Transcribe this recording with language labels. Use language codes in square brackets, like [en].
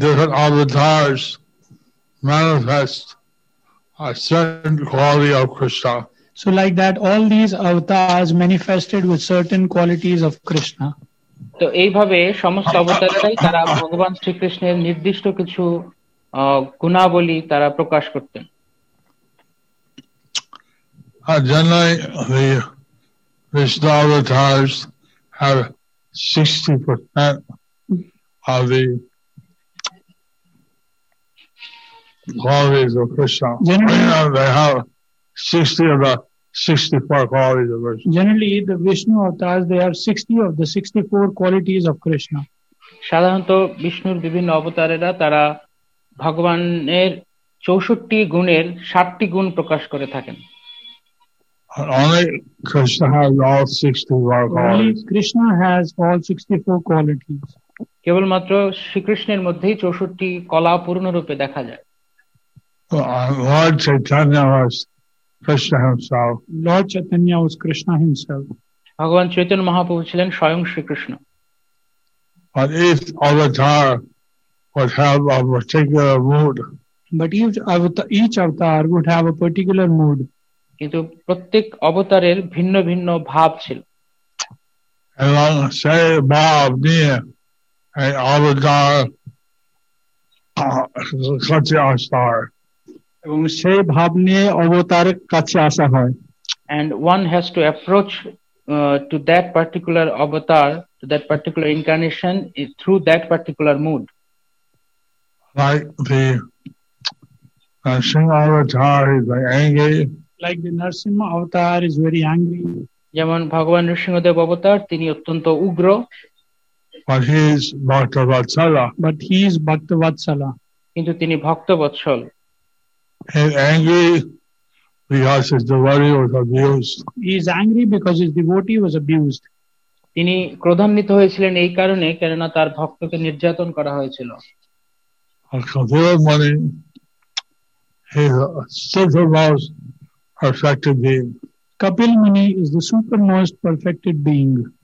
[en] Manifest a certain quality of Krishna. So like that, all these avatars manifested with certain qualities of Krishna. [bn] So এইভাবে সমস্ত অবতারেরাই তারা ভগবান শ্রীকৃষ্ণের নির্দিষ্ট কিছু গুণাবলী তারা প্রকাশ করতেন। [en] Generally, the Krishna avatars have 60% of the qualities of Krishna. They have 60 of the 64 qualities of Krishna. Generally, the Vishnu avatars, they have 60 of the 64 qualities of Krishna. [bn] সাধারণত বিষ্ণুর বিভিন্ন অবতারেরা তারা ভগবানের 64টি গুণের 60টি গুণ প্রকাশ করে থাকেন। [en] Only Krishna has all 64 qualities. Only Krishna has all 64 qualities. [bn] কেবল মাত্র শ্রীকৃষ্ণের মধ্যেই 64টি কলা পূর্ণরূপে দেখা যায়। [en] Lord Chaitanya was Krishna himself. Lord Chaitanya was Krishna himself. [bn] ভগবান চৈতন্য মহাপ্রভু ছিলেন স্বয়ং Shrikrishna. [en] But if avatar would have a particular mood. But each avatar would have a particular mood. [bn] কিন্তু প্রত্যেক অবতারের ভিন্ন ভিন্ন ভাব ছিল। এবং সেই ভাব নিয়ে এই অবতার কাছে আসা হয়। এবং সেই ভাব নিয়ে অবতারের কাছে আসা হয়। [en] And one has to approach to that particular avatar, to that particular incarnation, through that particular mood. Like the Narsimha avatar is like angry. Like the Narsimha avatar is very angry. [bn] যেমন ভগবান নরসিংহদেব অবতার তিনি অত্যন্ত উগ্র। [en] But he is bhaktavatsala. But he is bhaktavatsala. [bn] কিন্তু তিনি ভক্তবৎসল। [en] He is angry because his devotee was abused. He is angry because his devotee was abused. [bn] তিনি ক্রোধান্বিত হয়েছিলেন এই কারণে কারণ তার ভক্তকে নির্যাতন করা হয়েছিল। [en] Kapilamuni, he is a supermost perfected being. Kapil Muni is the supermost perfected being.